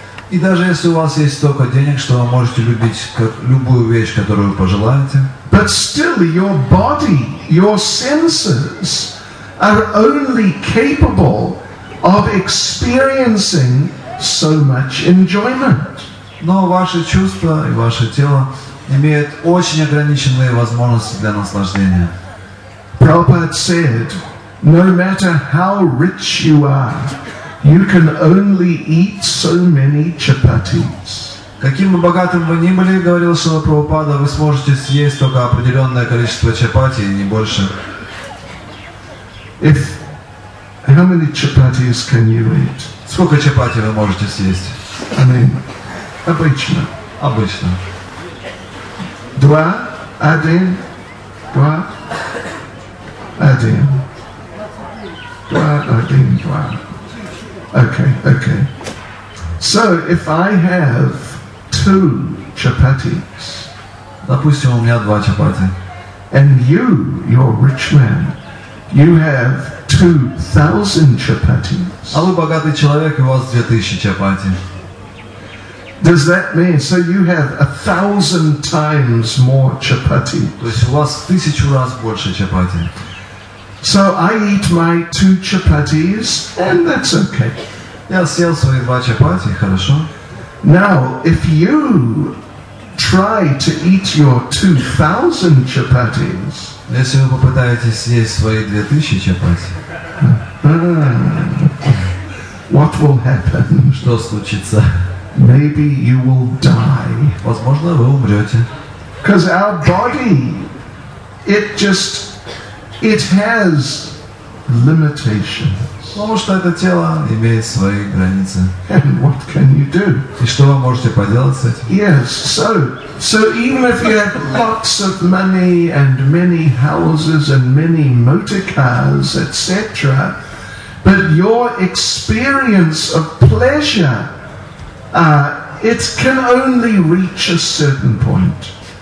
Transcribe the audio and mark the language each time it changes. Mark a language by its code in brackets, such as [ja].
[ru] И даже если у вас есть столько денег, что вы можете любить любую вещь, которую вы пожелаете. [en] But still, your body, your senses are only capable of experiencing so much enjoyment. [ru] Но ваши чувства и ваше тело имеют очень ограниченные возможности для наслаждения. [en] Prabhupada said, no matter how rich you are, you can only eat so many chapatis. [ru] Каким бы богатым вы ни были, говорил Шрила Прабхупада, вы сможете съесть только определенное количество чапати, не больше. [en] If, how many chapatis can you eat? [ru] Сколько чапати вы можете съесть? [en] I mean, [ru] обычно. Обычно. Два, один, два, один. Два, один, два. Okay. [en] So if I have two chapatis, [ru] допустим, у меня два чапати. [en] And you're a rich man, you have 2,000 chapatis. [ru] А вы богатый человек, и у вас 2,000 чапати. [en] Does that mean so you have 1,000 times more chapati? [ru] То есть у вас 1,000 раз больше чапати. [en] So I eat my 2 chapatis, and that's okay. [ru] Я съел свои 2 чапати, хорошо. [en] Now, if you try to eat your 2,000 chapatis, [ru] если вы попытаетесь съесть свои 2,000 чапати, [en] what will happen? [ru] Что случится? [en] Maybe you will die. [ru] Возможно, вы умрете. [en] Because our body, it has limitations. [ru] Потому что это тело имеет свои границы. [en] And what can you do? [ru] И что вы можете поделать с этим? [en] Yes, so even if you have lots of money and many houses and many motor cars, etc., but your experience of pleasure, it can only reach a certain point.